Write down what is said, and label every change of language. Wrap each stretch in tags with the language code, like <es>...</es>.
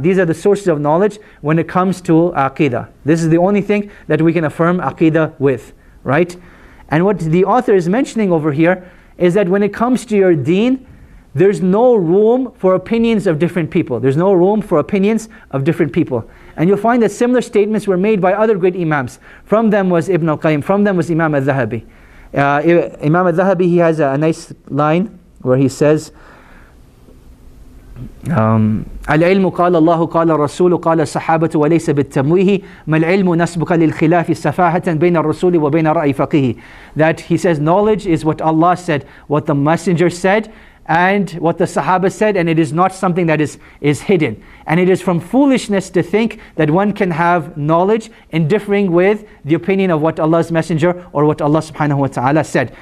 <en>These are the sources of knowledge when it comes to Aqidah. This is the only thing that we can affirm Aqidah with, right? And what the author is mentioning over here is that when it comes to your deen, there's no room for opinions of different people. There's no room for opinions of different people. And you'll find that similar statements were made by other great imams. From them was Ibn al-Qayyim. From them was Imam al-Zahabi. Imam al-Zahabi, he has a nice line where he says,</en> <ar>العلم قال الله قال الرسول قال الصحابة وليس بالتمويه ما العلم نسبك للخلاف سفاهة بين الرسول وبين رأي فقيه.</ar> <en>That he says knowledge is what Allah said, what the messenger said, and what the Sahaba said, and it is not something that is hidden. And it is from foolishness to think that one can have knowledge in differing with the opinion of what Allah's messenger or what Allah subhanahu wa ta'ala said.</en>